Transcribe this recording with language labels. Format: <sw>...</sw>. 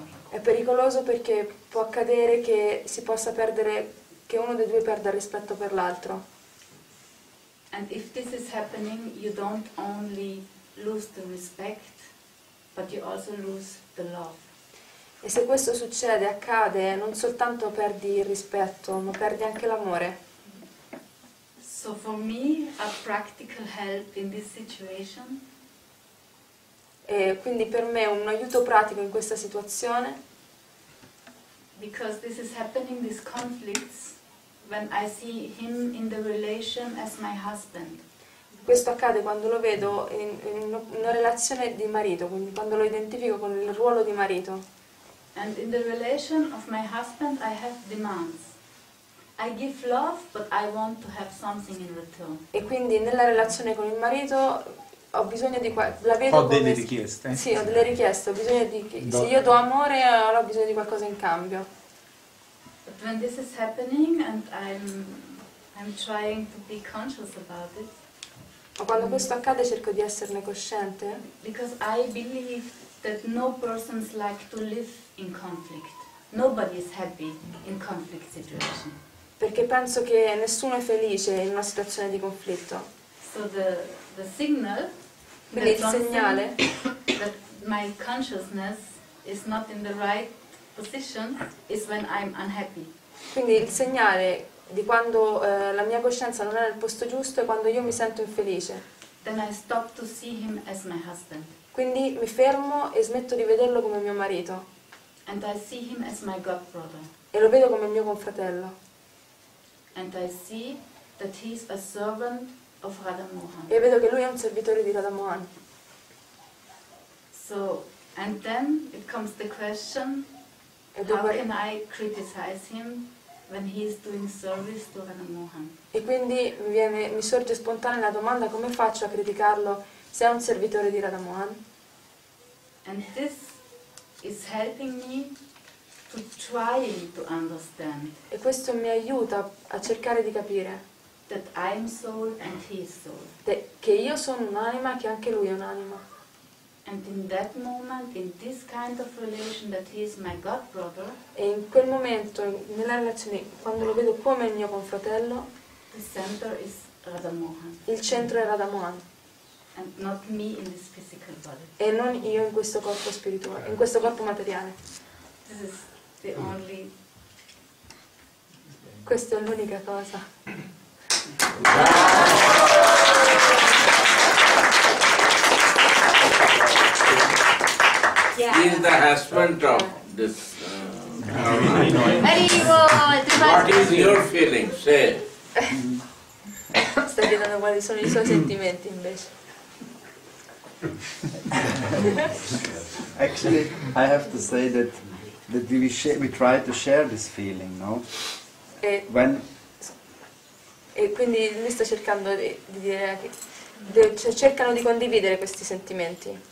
<it>È pericoloso perché può accadere che si possa perdere, che uno dei due perda rispetto per l'altro.</it> <en>And if this is happening, you don't only lose the respect, but you also lose the love.</en> <it>E se questo succede, accade, non soltanto perdi il rispetto, ma perdi anche l'amore.</it> <en>So for me, a practical help in this situation.</en> <it>E quindi per me un aiuto pratico in questa situazione.</it> <en>Because this is happening, these conflicts, when I see him in the relation as my husband.</en> <it>Questo accade quando lo vedo in una relazione di marito, quindi quando lo identifico con il ruolo di marito.</it> <en>And in the relation of my husband I have demands. I give love, but I want to have something in return.</en> <it>E quindi nella relazione con il marito ho bisogno di ho delle richieste. Sì, ho delle richieste, ho bisogno di se io do amore ho bisogno di qualcosa in cambio.</it> <en>But when this is happening and I'm trying to be conscious about it.</en> <it>Ma quando questo accade cerco di esserne cosciente.</it> <en>Because I believe that no persons like to live in conflict. Nobody is happy in conflict situation.</en> <it>Perché penso che nessuno è felice in una situazione di conflitto.</it> <en>So the signal,</en> <it>quindi il segnale</it> <en>that my consciousness is not in the right position is when I'm unhappy.</en> <it>Quindi il segnale di quando la mia coscienza non è nel posto giusto è quando io mi sento infelice.</it> <en>Then I stop to see him as my husband.</en> <it>Quindi mi fermo e smetto di vederlo come mio marito.</it> <en>And I see him as my godbrother.</en> <it>E lo vedo come mio confratello.</it> <en>And I see that he's a servant. Of Radha Mohan.</en> <it>E vedo che lui è un servitore di Radha Mohan.</it> <en>So, and then it comes the question, how can I criticize him when he is doing service to Radha Mohan?</en> <it>E quindi mi sorge spontanea la domanda, come faccio a criticarlo se è un servitore di Radha Mohan?</it> <en>And this is helping me to try to understand.</en> <it>E questo mi aiuta a cercare di capire.</it> <en>That I'm soul and he is soul.</en> <it>Che io sono un'anima e che anche lui è un'anima.</it> <en>And in that moment, in this kind of relation, that he is my god brother.</en> <it>E in quel momento, nella relazione, quando lo vedo come il mio confratello.</it> <en>The center is Radha Mohan.</en> <it>Il centro è Radha Mohan.</it> <en>And not me in this physical body.</en> <it>E non io in questo corpo spirituale, in questo corpo materiale.</it> <en>This is the only.</en> <it>Questa è l'unica cosa.</it> <en>Yeah. He's the husband of this. What is your feeling? Say.</en> <it>Sta chiedendo quali sono i suoi sentimenti invece.</it> <en>Actually, I have to say that we try to share this feeling, no? When.</en> <it>E quindi lui sta cercando di dire che cioè cercano di condividere questi sentimenti.</it>